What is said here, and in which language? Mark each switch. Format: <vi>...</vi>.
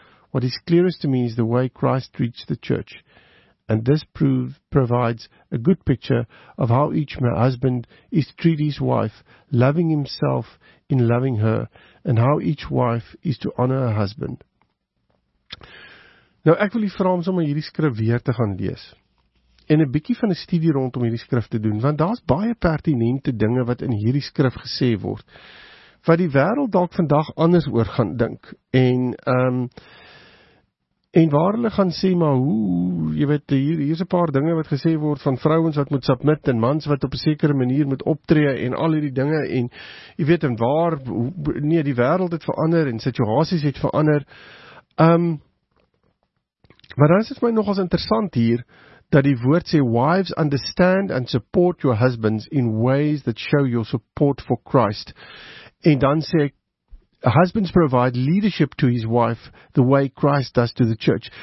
<en>What is clearest to me is the way Christ treats the church, and this provides a good picture of how each husband is to treat his wife, loving himself in loving her, and how each wife is to honor her husband.</en> <af>Nou, ek wil u vra om sommer hierdie skrif weer te gaan lees en 'n bietjie van 'n studie rondom hierdie skrif te doen, want daar's baie pertinente dinge wat in hierdie skrif gesê word wat die wêreld dalk vandag anders oor gaan dink, en waar hulle gaan sê, maar hoe, jy weet, hier's 'n paar dinge wat gesê word van vrouens wat moet submit en mans wat op 'n sekere manier moet optree en al hierdie dinge, en jy weet, en waar, nee, die wêreld het verander en situasies het verander. Maar dan is dit my nogals interessant hier, dat die woord sê,</af> <en>wives, understand and support your husbands in ways that show your support for Christ.</en> <af>En dan sê,</af> <en>husbands provide leadership to his wife the way Christ does to the church.</en>